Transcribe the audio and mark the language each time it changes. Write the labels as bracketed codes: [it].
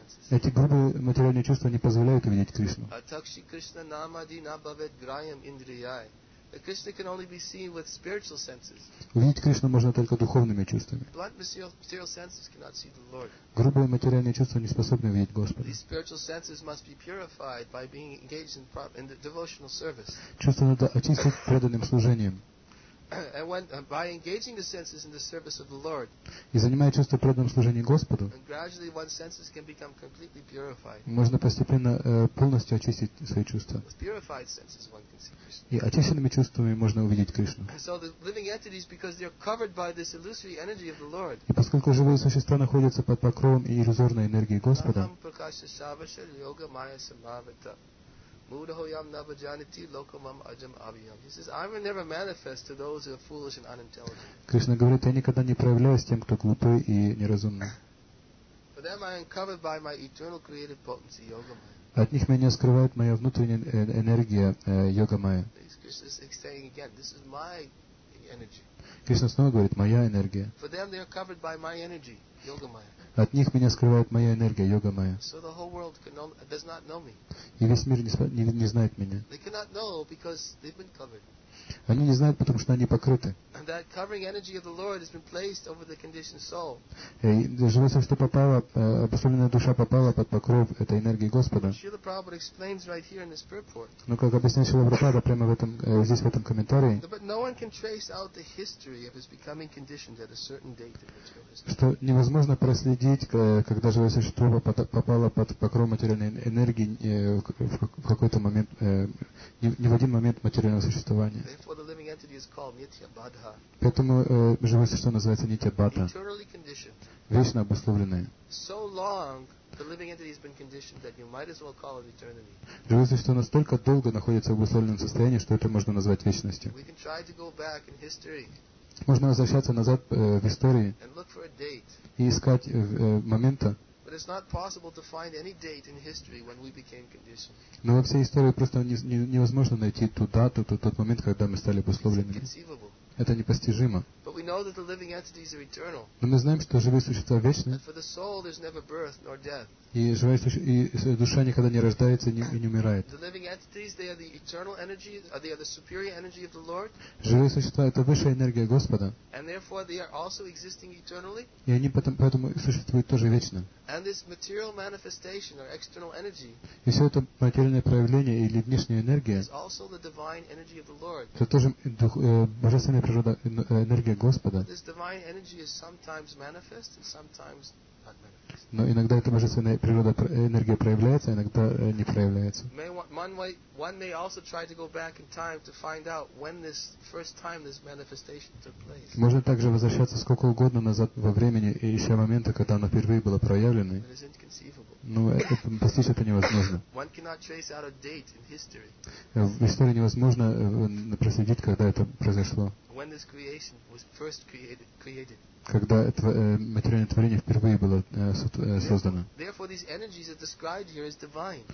[ru] Эти грубые материальные чувства не позволяют увидеть Кришну. [sa] Атакши Кришна намади набавет граям индрияй. [en] Krishna can only be seen with spiritual senses. [ru] Увидеть Кришну можно только духовными чувствами. [en] Blunt material senses cannot see the Lord. [ru] Грубые материальные чувства не способны видеть Господа. [en] These spiritual senses must be purified by being engaged in the devotional service. [ru] Чувства надо очистить преданным служением. [en] And when, by engaging the senses in the service of the Lord, [ru] и занимая чувства преданным служением Господу, [en] gradually one's senses can become completely purified. [ru] Можно постепенно полностью очистить свои чувства. [en] With purified senses one can see Krishna. [ru] И очищенными чувствами можно увидеть Кришну. [en] So the living entities, because they are covered by this illusory energy of the Lord. [ru] И поскольку живые существа находятся под покровом иллюзорной энергии Господа. [sa] Aham prakasha shavasha yoga maya samavita. Mudahoyam Navajaniti Lokamam Ajam Aviyam. [en] He says, I will never manifest to those who are foolish and unintelligent. [ru] Кришна говорит, я никогда не проявляюсь тем, кто глупый и неразумный. [en] For them I am covered by my eternal creative potency, Yoga Maya. [ru] От них меня скрывает моя внутренняя энергия, Йога Майя. [en] Krishna is saying again, this is my energy. [ru] Кришна снова говорит, моя энергия. [en] For them they are covered by my energy, Yoga Maya. [ru] От них меня скрывает моя энергия, йога моя. [en] So the whole world does not know me. [ru] И весь мир не знает меня. [en] They cannot know because they've been covered. [ru] Они не знают, потому что они покрыты. [en] And that covering energy of the Lord has been placed over the conditioned soul. [ru] Живое существо попало, обусловленная душа попала под покров этой энергии Господа. [en] Srila Prabhupada explains right here in this purport. [ru] Но как объясняет Srila Prabhupada прямо в этом, здесь в этом комментарии. [en] But no one can trace out the history of his becoming conditioned at a certain date in material history. [ru] Что невозможно проследить, когда живое существо попало под покров материальной энергии в какой-то момент, не в один момент материального существования. [en] Therefore, the living entity is called Nitya Badha. [ru] Поэтому живое существо называется Нитья Бадха. [en] Eternally conditioned. [ru] Вечно обусловленное. [en] So long the living entity has been conditioned that you might as well call it eternity. [ru] Живое существо настолько долго находится в обусловленном состоянии, что это можно назвать вечностью. [en] We can try to go back in history. [ru] Можно возвращаться назад в истории. [en] And look for a date. [ru] И искать момента. [en] But it's not possible to find any date in history when we became conditioned. [ru] Но во всей истории просто невозможно найти ту дату, тот момент, когда мы стали обусловленными. Это непостижимо. [en] But we know that the living entities are eternal. [ru] Но мы знаем, что живые существа вечны. [en] And for the soul, there's never birth nor death. [ru] И живое существо, и душа никогда не рождается и не умирает. [en] The living entities, they are the eternal energy, they are the superior energy of the Lord. [ru] Живые существа — это высшая энергия Господа. [en] And therefore, they are also existing eternally. [ru] И они поэтому существуют тоже вечно. [en] And this material manifestation or external energy. [ru] И все это материальное проявление или внешняя энергия. [en] Is also the divine energy of the Lord. [ru] Это тоже божественная природа, энергия Господа. [en] This divine energy is sometimes manifest and sometimes. [ru] Но иногда эта божественная природа, энергия проявляется, иногда не проявляется. [en] One may also try to go back in time to find out when this first time this manifestation took place. [ru] Можно также возвращаться сколько угодно назад во времени и ища моменты, когда она впервые была проявлена. Ну, это постичь это невозможно. [en] One cannot trace out a date in history. [ru] В истории невозможно проследить, когда это произошло. [en] When this creation was first created. [ru] Когда это материальное творение впервые было создано. [en] Therefore, these energies are described here as divine.